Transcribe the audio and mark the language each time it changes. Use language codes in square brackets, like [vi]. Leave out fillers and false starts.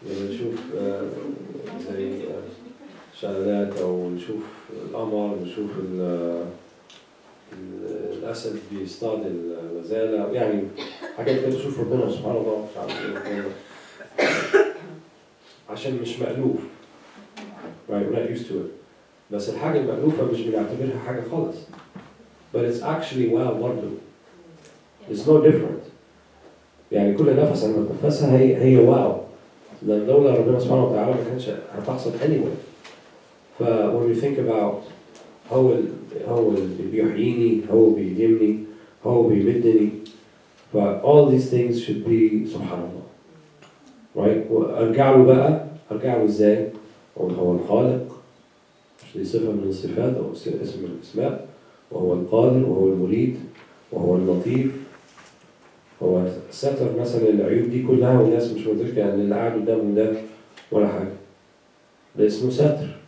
[ar] نشوف زي شلالات أو نشوف القمر ونشوف الأسد بيصطاد الغزالة يعني حاجات كده نشوف ربنا سبحان الله مش عارف إيه عشان مش مألوف. [en] Right, we're not used to it. [ar] بس الحاجة المألوفة مش بنعتبرها حاجة خالص. [en] But it's actually well [ar] برضو. [en] It's no different. [ar] يعني كل نفس أنا بتنفسها هي واو. لأن لولا ربنا سبحانه وتعالى ما كانش هتحصل anyway. ف [en] when we think about [ar] هو اللي بيحييني، هو بيديمني، هو بيمدني. [en] ف all these things should be سبحان الله. Right؟ [ar] أرجع له بقى، أرجع له إزاي؟ هو الخالق مش دي صفة من الصفات أو اسم من الأسماء وهو القادر وهو المريد وهو اللطيف هو ستر مثلا العيوب دي كلها والناس مش مدركة يعني اللي قاعد قدامه ده ولا حاجة ده اسمه ستر